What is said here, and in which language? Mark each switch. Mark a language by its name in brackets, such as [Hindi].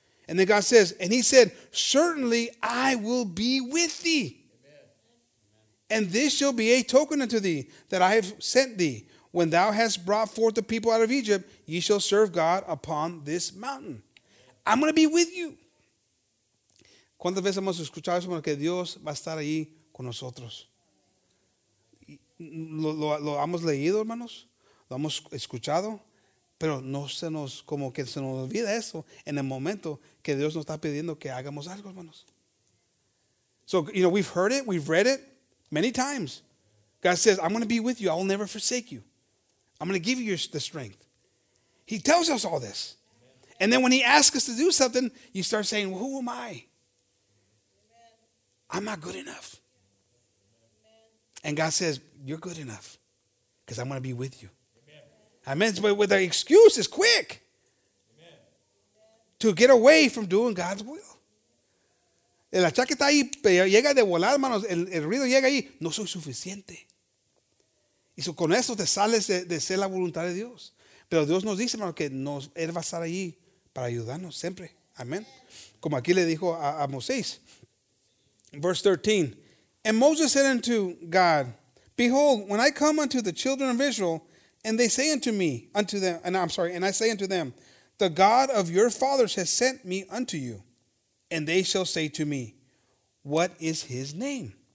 [English] And then God says, and he said, certainly I will be with thee. And this shall be a token unto thee that I have sent thee. When thou hast brought forth the people out of Egypt, ye shall serve God upon this mountain. I'm going to be with you. [Spanish] ¿Cuántas veces hemos escuchado eso? Que Dios va a estar ahí con nosotros. Lo hemos leído, hermanos. Lo hemos escuchado. Pero no se nos, como que se nos olvida eso en el momento que Dios nos está pidiendo que hagamos algo, hermanos. [English] So, you know, we've heard it. We've read it many times. God says, I'm going to be with you. I'll never forsake you. I'm going to give you the strength. He tells us all this. And then when he asks us to do something, you start saying, well, who am I? I'm not good enough. And God says, you're good enough because I'm going to be with you. Amen. But with the excuse is quick to get away from doing God's will. [Spanish] El achaque está ahí, pero llega de volar, hermanos. El ruido llega ahí. No soy suficiente. Y con eso te sales de ser la voluntad de Dios. Pero Dios nos dice, hermano, que nos, Él va a estar allí para ayudarnos siempre. Amén. Como aquí le dijo a Moisés. [English] Verse 13. And Moses said unto God, behold, when I come unto the children of Israel, and they say unto me, unto them, and I'm sorry, and I say unto them, the God of your fathers has sent me unto you. And they shall say to me, what is his name?